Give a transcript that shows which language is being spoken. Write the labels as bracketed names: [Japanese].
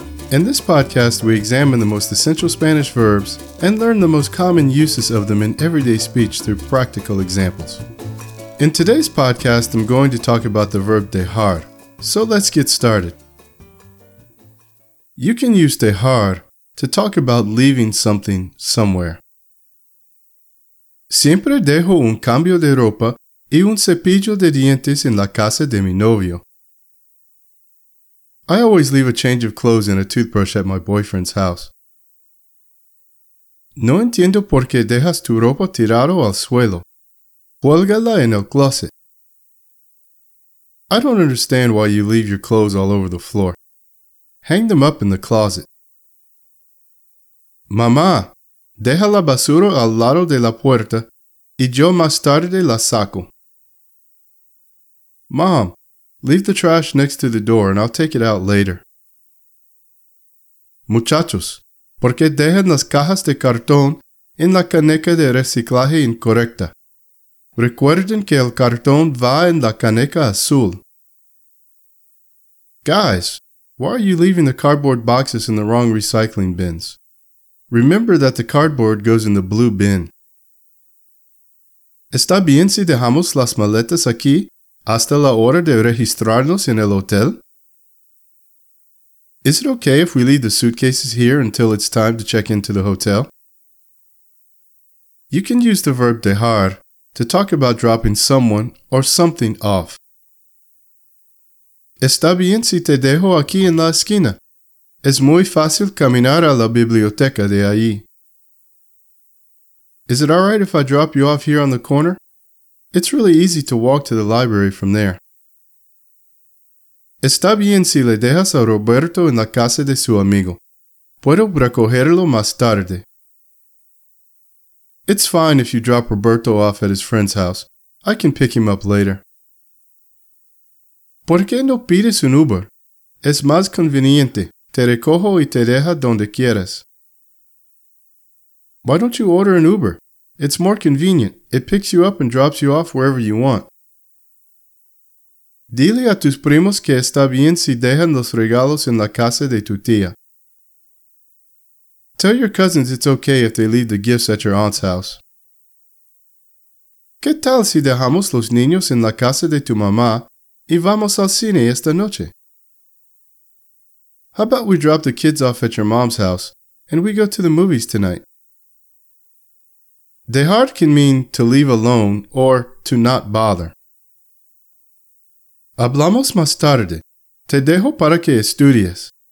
[English] In this podcast, we examine the most essential Spanish verbs and learn the most common uses of them in everyday speech through practical examples. In today's podcast, I'm going to talk about the verb dejar. So let's get started. You can use dejar to talk about leaving something somewhere. [Spanish] Siempre dejo un cambio de ropa y un cepillo de dientes en la casa de mi novio. [English] I always leave a change of clothes and a toothbrush at my boyfriend's house. [Spanish] No entiendo por qué dejas tu ropa tirado al suelo. Cuélgala en el closet. [English] I don't understand why you leave your clothes all over the floor. Hang them up in the closet. [Spanish] Mamá, deja la basura al lado de la puerta y yo más tarde la saco. [English] Mom, leave the trash next to the door and I'll take it out later. [Spanish] Muchachos, ¿por qué dejan las cajas de cartón en la caneca de reciclaje incorrecta? Recuerden que el cartón va en la caneca azul. [English] Guys, why are you leaving the cardboard boxes in the wrong recycling bins? Remember that the cardboard goes in the blue bin. [Spanish] ¿Está bien si dejamos las maletas aquí hasta la hora de registrarnos en el hotel? [English] Is it okay if we leave the suitcases here until it's time to check into the hotel? You can use the verb dejar to talk about dropping someone or something off. [Spanish] ¿Está bien si te dejo aquí en la esquina? Es muy fácil caminar a la biblioteca de ahí. [English] Is it alright if I drop you off here on the corner? It's really easy to walk to the library from there. [Spanish] ¿Está bien si le dejas a Roberto en la casa de su amigo? Puedo recogerlo más tarde. [English] It's fine if you drop Roberto off at his friend's house. I can pick him up later. [Spanish] ¿Por qué no pides un Uber? Es más conveniente. Te recojo y te deja donde quieras. [English] Why don't you order an Uber? It's more convenient. It picks you up and drops you off wherever you want. [Spanish] Dile a tus primos que está bien si dejan los regalos en la casa de tu tía. [English] Tell your cousins it's okay if they leave the gifts at your aunt's house. [Spanish] ¿Qué tal si dejamos los niños en la casa de tu mamá y vamos al cine esta noche? [English] How about we drop the kids off at your mom's house and we go to the movies tonight? Dejar can mean to leave alone or to not bother. [Spanish] Hablamos más tarde. Te dejo para que estudies.